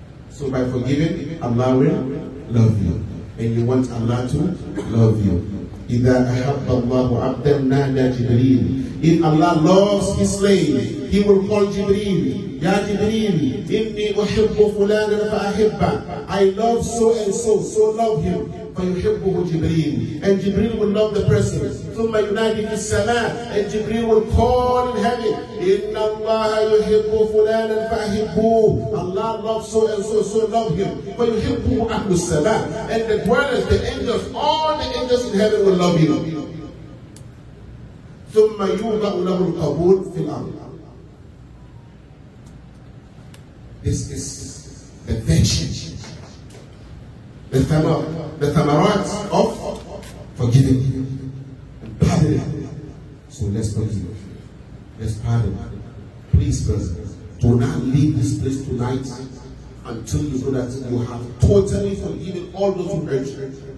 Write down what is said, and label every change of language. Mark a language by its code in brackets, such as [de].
[en] So by forgiving, Allah will love you. And you want Allah to love you. [ar] إِذَا أَحَبَّ اللَّهُ عَبْدًا نَادَى جِبْرِيلَ. [en] If Allah loves his slave, he will call Jibreel. [ar] Ya Jibreel, إِنِّي أُحِبُّ فُلَانًا فَأَحِبَّهُ. [en] I love so-and-so, so love him. [ar] فَيُحِبُّهُ جِبْرِيلٌ. [en] And Jibreel will love the person. [ar] ثُمَّ يُنَادِي فِي السَّمَاءِ. [en] And Jibreel will call in heaven. [ar] إِنَّ اللَّهَ يُحِبُّ فُلَانًا فَأَحِبُّهُ. [en] Allah loves so-and-so, so love him. [ar] فَيُحِبُّهُ أَهْلُ السَّمَاءِ. [en] And the dwellers, the angels, all the angels in heaven will love him. [ar] ثم يوضع له القبول في الأرض. [en] This is the vengeance, the tamarats of forgiving and pardoning. So let's forgive. Let's pardon. Please, brothers, do not leave this place tonight until you know that you have totally forgiven all those who hurt you.